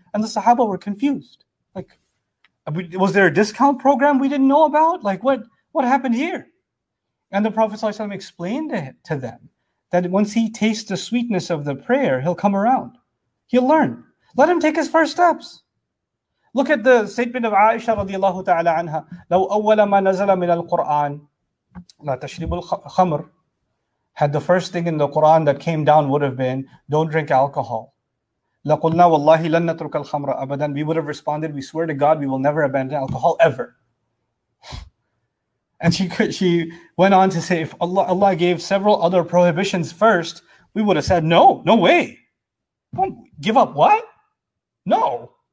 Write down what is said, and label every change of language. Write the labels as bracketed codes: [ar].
[en] And the sahaba were confused. Like, was there a discount program we didn't know about? Like, what happened here? And the Prophet ﷺ explained it to them. That once he tastes the sweetness of the prayer, he'll come around. He'll learn. Let him take his first steps. Look at the statement of Aisha radiallahu ta'ala anha. [ar] لو أول ما نزل من القرآن لا تشرب الخمر. [en] Had the first thing in the Quran that came down would have been, don't drink alcohol. [ar] لقلنا والله لن نترك الخمر أبدا. [en] We would have responded, we swear to God, we will never abandon alcohol ever. And she went on to say, if Allah gave several other prohibitions first, we would have said, no, no way. Give up what? No.